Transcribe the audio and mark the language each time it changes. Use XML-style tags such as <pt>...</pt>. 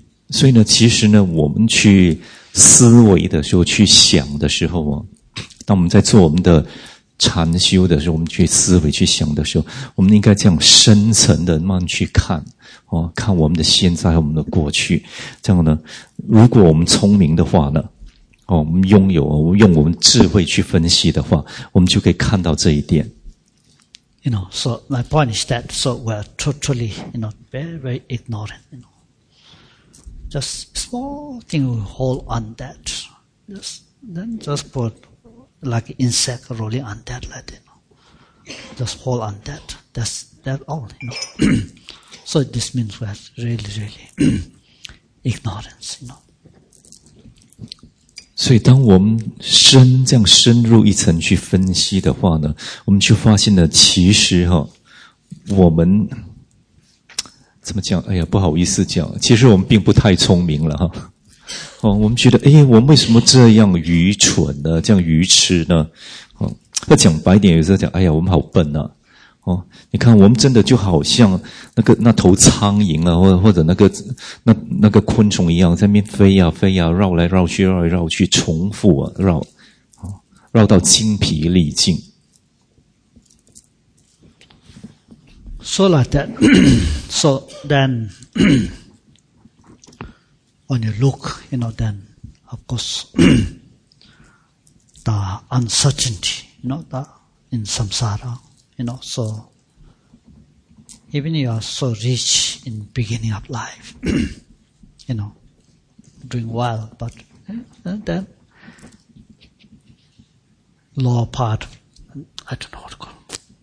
<zh>所以呢，其实呢，我们去思维的时候，去想的时候啊，当我们在做我们的禅修的时候，我们去思维、去想的时候，我们应该这样深层的慢慢去看，哦，看我们的现在、我们的过去。这样呢，如果我们聪明的话呢，哦，我们拥有、我们用我们智慧去分析的话，我们就可以看到这一点。</zh> <en>You know, so my point is that, so we're totally, you know, very, very ignorant, you know. Just small thing we hold on that. Just put like insect rolling on that, like that. Just hold on that. That's all, you know. So this means we have really, really ignorance, you know.</en> <zh>所以当我们深这样深入一层去分析的话呢，我们就发现了其实哈，我们怎么讲？哎呀，不好意思讲，其实我们并不太聪明了哈。我们觉得，哎，我们为什么这样愚蠢呢？这样愚痴呢？那讲白点，有时候讲，哎呀，我们好笨啊！你看，我们真的就好像那头苍蝇啊，或者那个昆虫一样，在那边飞呀、飞呀，绕来绕去，绕来绕去，重复啊，绕到精疲力尽。</zh> <en>So like that, so then, when you look, you know, then, of course, the uncertainty, you know, in samsara, you know, so, even you are so rich in beginning of life, you know, doing well, but then, lower part, I don't know what to call it,</en>